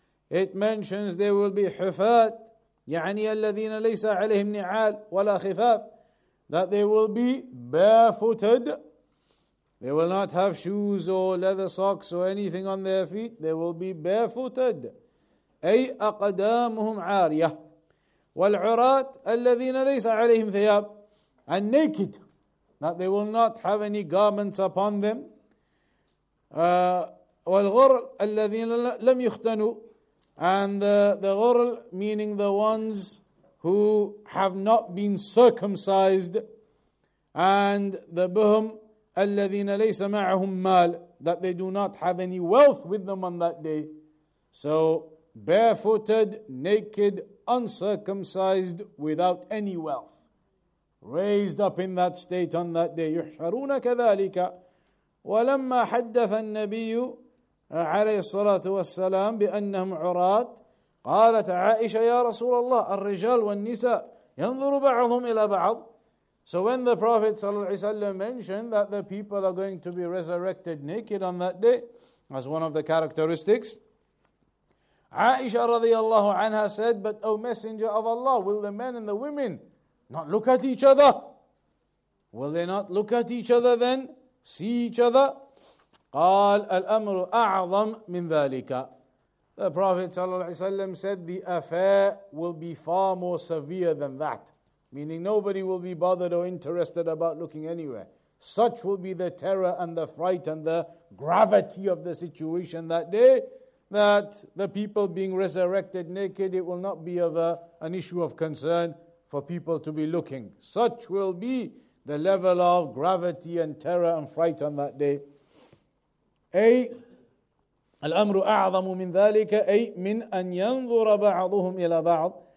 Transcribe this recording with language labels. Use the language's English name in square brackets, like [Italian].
[English] It mentions they will be [Arabic] حفات, يعني الذين ليس عليهم نعال ولا خفاف, [English] that they will be barefooted. They will not have shoes or leather socks or anything on their feet. They will be barefooted. [Arabic] أي أقدامهم عارية. والعرات الذين ليس عليهم ثياب. [English] And naked. That they will not have any garments upon them. [Arabic] والغرل الذين لم يختنوا. [English] And the غرل meaning the ones who have not been circumcised. And the [Arabic] بهم الذين ليس معهم مال. [English] That they do not have any wealth with them on that day. So barefooted, naked, uncircumcised, without any wealth. Raised up in that state on that day. [Arabic] يحشرون كذلك. ولما حدث النبي عليه الصلاة والسلام بأنهم عرات قالت عائشة يا رسول الله الرجال والنساء ينظر بعضهم إلى بعض. [English] So when the Prophet ﷺ mentioned that the people are going to be resurrected naked on that day, as one of the characteristics, Aisha radiallahu anha said, but O Messenger of Allah, will the men and the women not look at each other? Will they not look at each other then? See each other? [Arabic] قال الأمر أعظم من ذلك. [English] The Prophet ﷺ said, the affair will be far more severe than that. Meaning nobody will be bothered or interested about looking anywhere. Such will be the terror and the fright and the gravity of the situation that day, that the people being resurrected naked, it will not be of an issue of concern for people to be looking. Such will be the level of gravity and terror and fright on that day. [Arabic] أي الأمر أعظم من ذلك أي من أن ينظر بعضهم إلى بعض.